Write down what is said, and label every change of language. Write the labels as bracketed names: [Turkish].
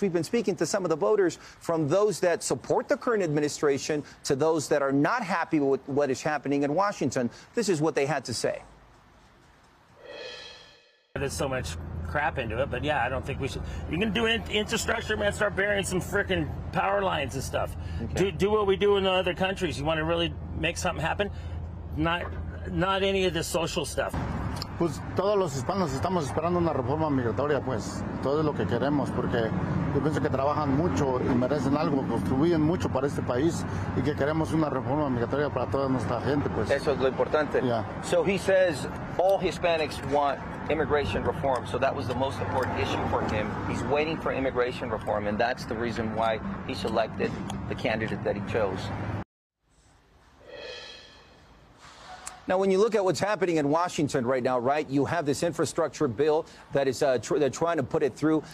[English] We've been speaking to some of the voters, from those that support the current administration to those that are not happy with what is happening in Washington. This is what they had to say. There's so much crap into it, but yeah, I don't think we should. You can do infrastructure, man. Start burying some freaking power lines and stuff. Okay. Do what we do in the other countries. You want to really make something happen? Not any of this social stuff. [Spanish] Pues todos los hispanos estamos esperando una reforma migratoria, pues todo es lo que queremos, porque yo pienso que trabajan mucho y merecen algo, contribuyen mucho para este país y que queremos una reforma migratoria para toda nuestra gente, pues. Eso es lo importante. [English] Yeah. So he says all Hispanics want immigration reform, so that was the most important issue for him. He's waiting for immigration reform, and that's the reason why he selected the candidate that he chose. Now, when you look at what's happening in Washington right now, right, you have this infrastructure bill that is they're trying to put it through.